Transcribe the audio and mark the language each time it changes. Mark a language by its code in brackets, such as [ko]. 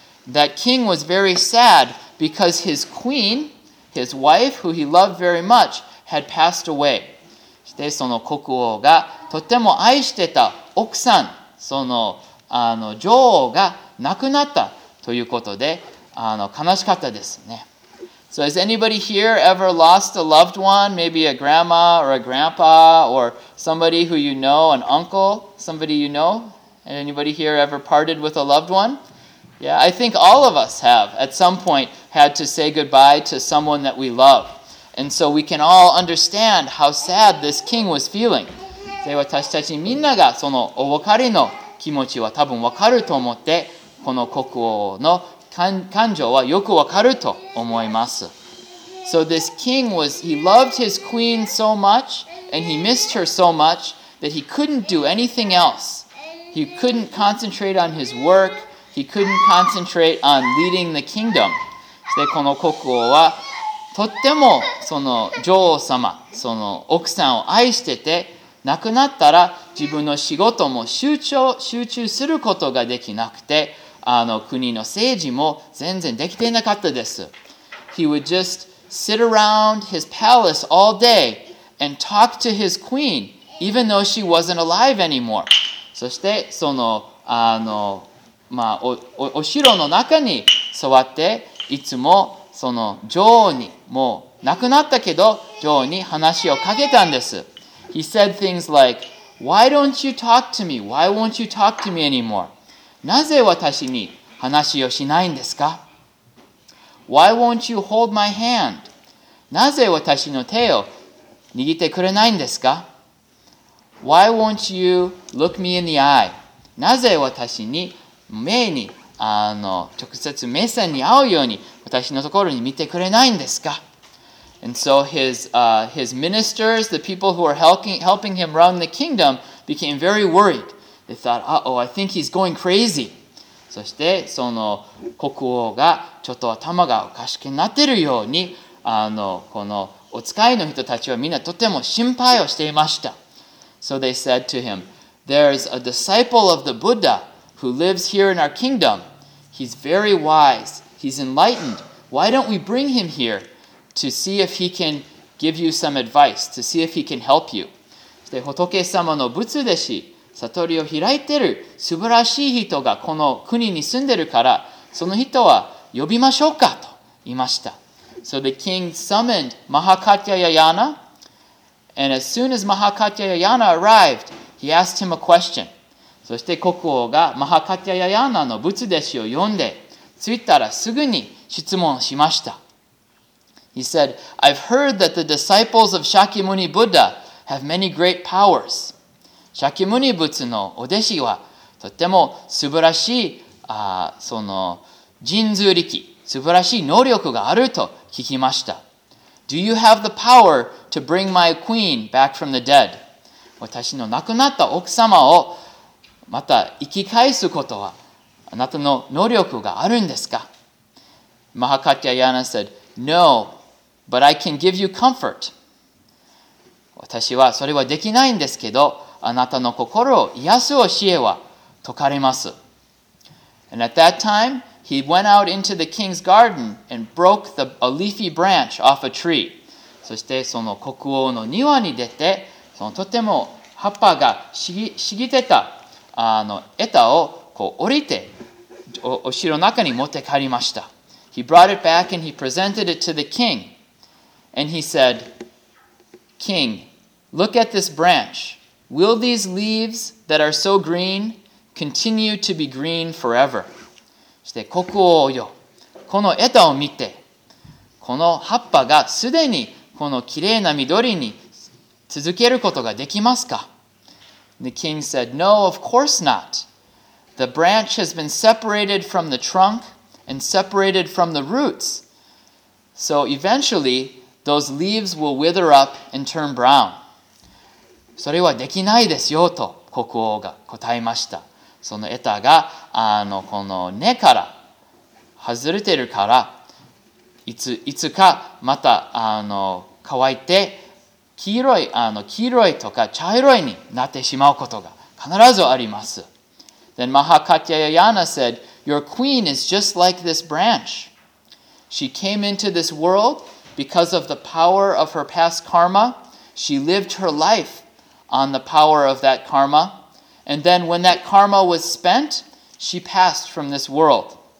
[en] That king was very sad because his queen... His wife, who he loved very much, had passed away. [ja] そしてその国王がとても愛してた奥さん、その女王が亡くなったということで、悲しかったですね。 [en] So has anybody here ever lost a loved one? Maybe a grandma or a grandpa or somebody who you know, an uncle, somebody you know? Anybody here ever parted with a loved one? Yeah, I think all of us have at some point had to say goodbye to someone that we love. And so we can all understand how sad this king was feeling. [ja] で、私たちみんながそのお別れの気持ちは多分わかると思って、この国王の感情はよくわかると思います。 [en] So this king was, he loved his queen so much and he missed her so much that he couldn't do anything else. He couldn't concentrate on his work. He couldn't concentrate on leading the kingdom. [ja] そしてこの国王はとってもその女王様、その奥さんを愛してて、亡くなったら自分の仕事も集中することができなくて、国の政治も全然できていなかったです。 [en] He would just sit around his palace all day and talk to his queen, even though she wasn't alive anymore. [ja] そしてその、お城の中に座っていつもその女王にもう亡くなったけど女王に話をかけたんです。 [en] He said things like, Why don't you talk to me? Why won't you talk to me anymore? [ja] なぜ私に話をしないんですか? [en] Why won't you hold my hand? [ja] なぜ私の手を握ってくれないんですか? [en] Why won't you look me in the eye? [ja] なぜ私に目に直接目線に合うように私のところに見てくれないんですか? [en] And so his ministers, the people who were helping him run the kingdom, became very worried. They thought, Uh-oh, I think he's going crazy. [ja] そしてその国王がちょっと頭がおかしくなってるようにこのお使いの人たちはみんなとても心配をしていました。 [en] So they said to him, "There is a disciple of the Buddha who lives here in our kingdom. He's very wise. He's enlightened. Why don't we bring him here to see if he can give you some advice, to see if he can help you?" [ja] で、仏様の仏弟子、悟りを開いてる素晴らしい人がこの国に住んでるから、その人は呼びましょうかと言いました。 [en] So the king summoned Mahakatyayana, and as soon as Mahakatyayana arrived, he asked him a question. [ja] そして国王がマハカティヤヤナの仏弟子を呼んで、着いたらすぐに質問しました。 [en] He said, "I've heard that the disciples of Shakyamuni Buddha have many great powers." [ja] Shakyamuni Butsu のお弟子はとても素晴らしい、その神通力、素晴らしい能力があると聞きました。 [en] Do you have the power to bring my queen back from the dead? [ja] 私の亡くなった奥様をまた生き返すことはあなたの能力があるんですか? [en] Mahakatyayana said, "No, but I can give you comfort." [ja] 私はそれはできないんですけど、あなたの心を癒す教えは説かれます。 [en] And at that time, he went out into the king's garden and broke a leafy branch off a tree. [ja] そしてその国王の庭に出て、そのとても葉っぱがしぎてた枝をこう降りて、お城の中に持って帰りました。 [en] He brought it back and he presented it to the king. And he said, "King, look at this branch. Will these leaves that are so green continue to be green forever?" [ja] そして国王よ、この枝を見て、この葉っぱがすでにこのきれいな緑に続けることができますか? [en] The king said, "No, of course not. The branch has been separated from the trunk and separated from the roots. So eventually, those leaves will wither up and turn brown." [ja] それはできないですよと国王が答えました。その枝がこの根から外れているから、いつかまた乾いて黄色いとか茶色いになってしまうことが必ずあります。 [en] Then Mahakatyayana said, "Your queen is just like this branch. She came into this world because of the power of her past karma. She lived her life on the power of that karma. And then when that karma was spent, she passed from this world.